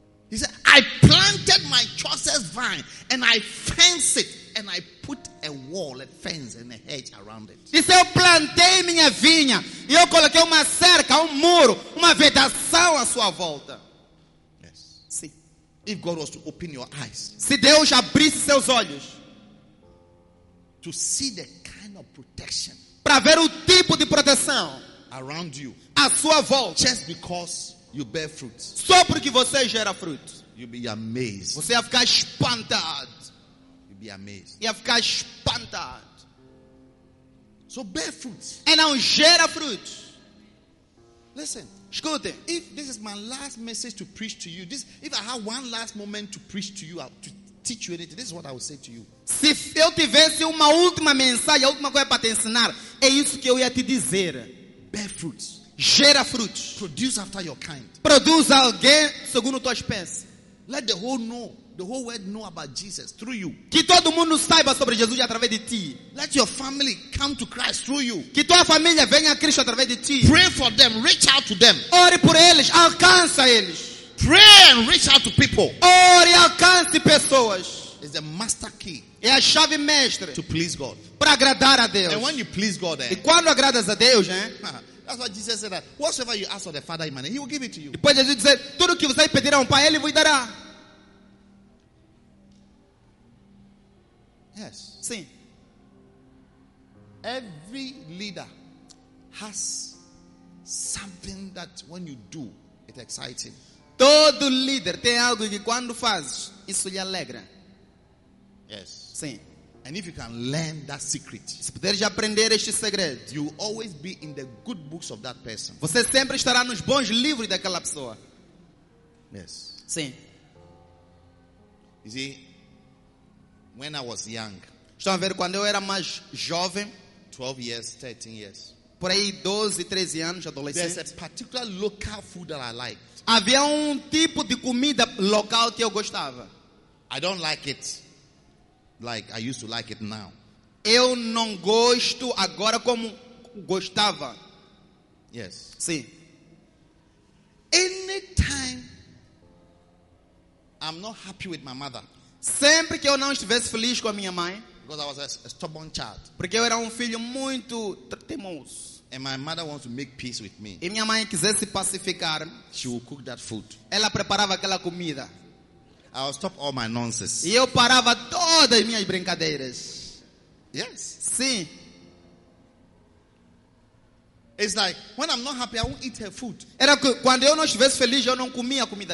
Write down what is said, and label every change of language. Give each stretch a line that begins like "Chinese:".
English: He said, I planted my choicest vine and I fenced it and I put a wall, a fence and a hedge around it.
Portuguese: Disse, eu plantei minha vinha e eu coloquei uma cerca, um muro, uma vedação à sua volta.
English: Yes.
Portuguese: Sim.
English: If God was to open your eyes,
Portuguese: se Deus abrisse seus olhos,
English: to see the kind of protection,
Portuguese: para ver o tipo de proteção
English: around you,
Portuguese: à sua volta,
English: just because you bear fruits.
Portuguese: Só porque você gera frutos.
English: You'll be amazed.
Portuguese: Você ia ficar espantado.
English: You'll be amazed.
Portuguese: Ia ficar espantado.
English: So bear fruits.
Portuguese: E não gera frutos.
English: Listen.
Portuguese: Escute.
English: If this is my last message to preach to you, this, if I have one last moment to preach to you, to teach you anything, this is what I will say to you.
Portuguese: Se eu tivesse uma última mensagem, a última coisa para te ensinar, é isso que eu ia te dizer.
English: Bear fruits.
Portuguese: Gera frutos.
English: Produce after your kind.
Portuguese: Produz alguém segundo tua espécie.
English: Let the whole know, the whole world know about Jesus through you.
Portuguese: Que todo mundo saiba sobre Jesus através de ti.
English: Let your family come to Christ through you.
Portuguese: Que tua família venha a Cristo através de ti.
English: Pray for them, reach out to them.
Portuguese: Ore por eles, alcança eles.
English: Pray and reach out to people.
Portuguese: Ore e alcance pessoas.
English: It's the master key.
Portuguese: É a chave mestre.
English: To please God.
Portuguese: Para agradar a Deus.
English: And when you please God,
Portuguese: e quando agradas a Deus,
English: that's why Jesus said that whatsoever you ask of the Father in my name, he will give it to you.
Portuguese: Depois Jesus disse, tudo que você pedir ao Pai, ele vos dará.
English: Yes.
Portuguese: Sim.
English: Every leader has something that when you do, it excites him.
Portuguese: Todo líder tem algo que quando faz, isso lhe alegra.
English: Yes.
Portuguese: Sim.
English: And if you can learn that secret,
Portuguese: se puderes aprender este segredo,
English: you always be in the good books of that person.
Portuguese: Você sempre estará nos bons livros daquela pessoa.
English: Yes.
Portuguese: Sim.
English: You see, when I was young,
Portuguese: estão a ver quando eu era mais jovem,
English: 12 years, 13 years.
Portuguese: Por aí 12, 13 anos, adolescente.
English: There's a particular local food that I liked.
Portuguese: Havia tipo de comida local que eu gostava.
English: I don't like it. Like I used to like it now.
Portuguese: Eu não gosto agora como gostava.
English: Yes.
Portuguese: Sim.
English: Anytime I'm not happy with my mother.
Portuguese: Sempre que eu não estivesse feliz com a minha mãe.
English: Because I was a stubborn child.
Portuguese: Porque eu era filho muito teimoso.
English: And my mother wants to make peace with me.
Portuguese: E minha mãe quisesse pacificar.
English: She would cook that food.
Portuguese: Ela preparava aquela comida.
English: I will stop all my nonsense.
Portuguese: E eu parava todas as minhas brincadeiras.
English: Yes.
Portuguese: Sim.
English: It's like when I'm not happy, I won't eat her food.
Portuguese: Era quando eu não estivesse feliz, eu não comia a comida